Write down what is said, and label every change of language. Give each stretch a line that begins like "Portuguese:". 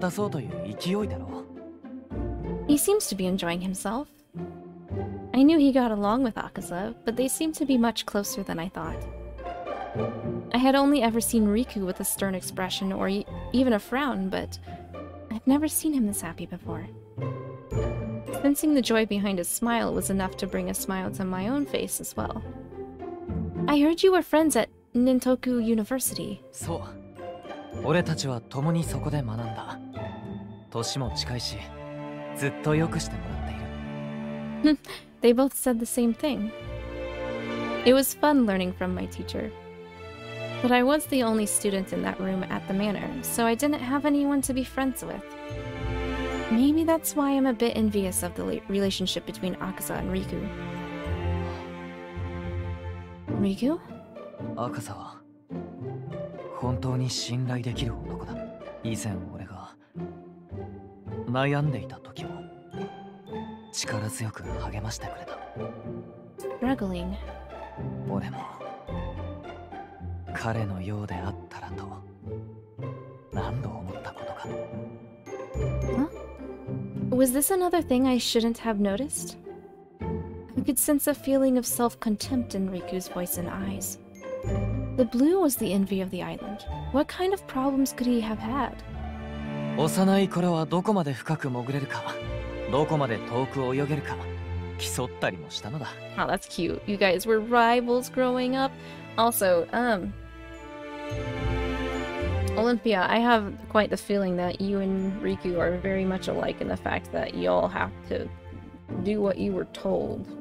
Japanese: いかにも赤座が言いそうなセリフだが、決して悪気はなかったはずだ。あいつは何事にも熱心すぎるところがあるから、役目を果たそうという勢いだろう。He
English: seems to be enjoying himself. I knew he got along with Akaza, but they seemed to be much closer than I thought. I had only ever seen Riku with a stern expression or even a frown, but... I've never seen him this happy before. Sensing the joy behind his smile was enough to bring a smile to my own face as well. I heard you were friends at Nintoku University.
Japanese: そう。俺たちは共にそこで学んだ。年も近いし、ずっと良くしてもらっている。They
English: both said the same thing. It was fun learning from my teacher. But I was the only student in that room at the manor, so I didn't have anyone to be friends with. Maybe that's why I'm a bit envious of the relationship between Akaza and Riku. Riku?
Japanese: Akaza は本当に信頼できる男だ。以前俺が悩んでいた時も力強く励ましてくれた。
English: Struggling.
Japanese: 俺も彼のようであったらと何度思ったことか。
English: Was this another thing I shouldn't have noticed? I could sense a feeling of self-contempt in Riku's voice and eyes. The blue was the envy of the island. What kind of problems could he have had?
Japanese: 幼い頃はどこまで深く潜れるか、どこまで遠く泳げるか、競ったりもしたのだ。
English: Oh, that's cute. You guys were rivals growing up. Also, Olympia, I have quite the feeling that you and Riku are very much alike in the fact that y'all have to do what you were told.